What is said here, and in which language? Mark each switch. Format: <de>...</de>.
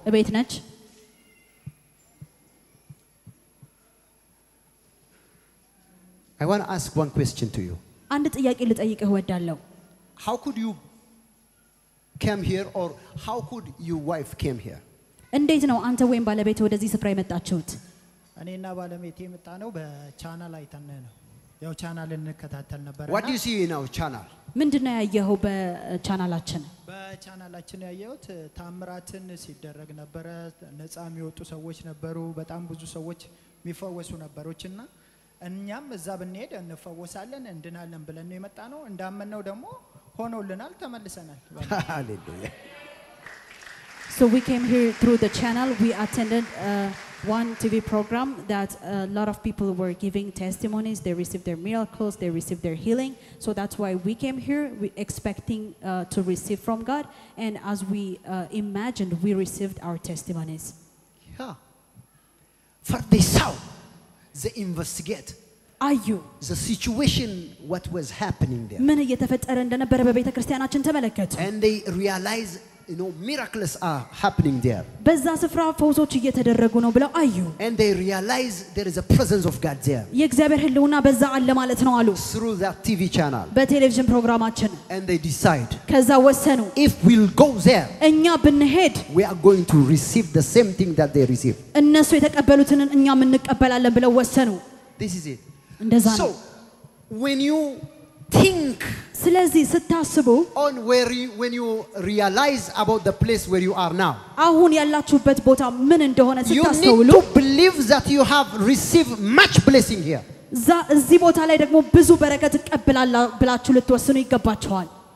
<am>እቤት ነች?</am> <en>I want to ask one question to you.</en> <am>አንድ ጥያቄ ልጠይቅህ ወዳለሁ.</am> <en>How could you came here or how could your wife came here?</en> <am>እንዴት ነው አንተ ወይም ባለቤት ወደዚህ ስፍራ የመጣችሁት? እኔና ባለቤቴ የመጣነው በቻናል አይተን ነው። ያው ቻናል እንከታተል ነበርና.</am> <en>What do you see in our channel?</en> <am>ምንድነው ያየኸው በቻናላችን? በቻናላችን ያየሁት ታምራትን ሲደረግ ነበር። ነጻ የሚወጡ ሰዎች ነበሩ። በጣም ብዙ ሰዎች የሚፈወሱ ነበሮችና እኛም እዛ ብንሄድ እንፈወሳለን እንድናለን ብለን ነው የመጣነው። እንዳመነው ደግሞ ሆኖልናል ተመልሰናል. ሃሌሉያ.</am> <en>So we came here through the channel. We attended one TV program that a lot of people were giving testimonies. They received their miracles, they received their healing. So that's why we came here, we expecting to receive from God, and as we imagined, we received our testimonies. Yeah. For they saw, they investigate. Are you the situation what was happening there?</en> <am>ምን እየተፈጠረ እንደነበረ በቤተክርስቲያናችን ተመለከቱ.</am> <en>And they realize you know, miracles are happening there.</en> <am>በዛ ስፍራ ፈውሶች እየተደረጉ ነው ብለው አዩ.</am> <en>And they realize there is a presence of God there.</en> <am>የእግዚአብሔር ህልውና በዛ አለ ማለት ነው አሉ.</am> <en>Through that TV channel.</en> <am>በቴሌቪዥን ፕሮግራማችን.</am> <en>And they decide.</en> <am>ከዛ ወሰኑ.</am> <en>If we'll go there.</en> <am>እኛ ብንሄድ.</am> <en>We are going to receive the same thing that they receive.</en> <am>እነሱ የተቀበሉትን እኛ ምን እንቀበላለን ብለው ወሰኑ.</am> <en>This is it.</en> <am>እንደዛ ነው.</am> <en>So when you think,</en> <am>ስለዚህ ስታስቡ,</am> <en>on where you, when you realize about the place where you are now,</en> <am>አሁን ያላችሁበት ቦታ ምን እንደሆነ ስታስተውሉ,</am> <en>you need to believe that you have received much blessing here.</en> <am>እዚህ ቦታ ላይ ደግሞ ብዙ በረከት ተቀብላችሁ ልትወስኑ ይገባችኋል.</am>